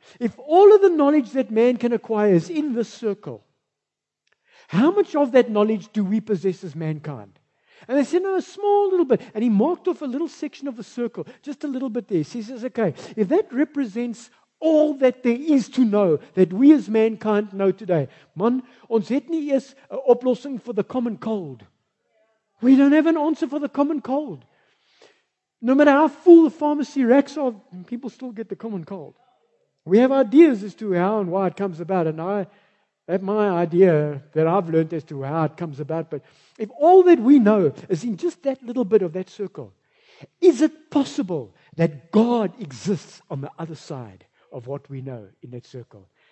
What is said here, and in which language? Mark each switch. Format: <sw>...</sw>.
<en>If all of the knowledge that man can acquire is in this circle, how much of that knowledge do we possess as mankind? And they said, no, a small little bit. And he marked off a little section of the circle, just a little bit there. So he says, okay, if that represents all that there is to know that we as mankind know today.</en> <af>Man, ons het nie eers 'n oplossing</af> <en>for the common cold. We don't have an answer for the common cold. No matter how full the pharmacy racks are, people still get the common cold. We have ideas as to how and why it comes about, and I have my idea that I've learned as to how it comes about, but if all that we know is in just that little bit of that circle, is it possible that God exists on the other side of what we know in that circle?</en>